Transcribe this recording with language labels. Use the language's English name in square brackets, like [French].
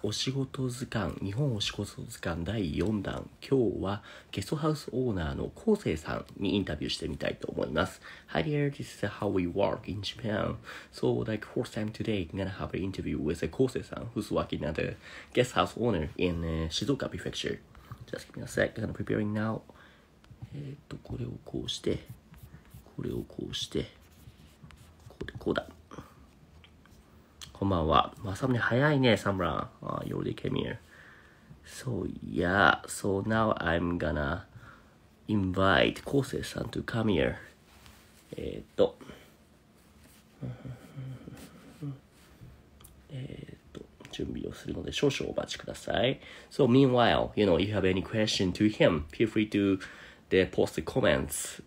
[Japanese] お仕事図鑑、日本お仕事図鑑第4弾。今日はゲストハウスオーナーの昴生さんにインタビューしてみたいと思います。 [English] Hi there, this is how we work in Japan. So, like, first time today, I'm gonna have an interview with Kōsei さん, who's working at a guest house owner in Shizuoka Prefecture. Just give me a sec, I'm preparing now. [Japanese] これをこうして、これをこうして、こうでこうだ。こんばんは。まさに早いね、サムラン。 [English] You already came here. So, yeah. So now I'm gonna invite Kōsei さん to come here. [Japanese] えっと、準備をするので少々お待ちください。 [English] So meanwhile, you know, if you have any question to him, feel free to post the comments.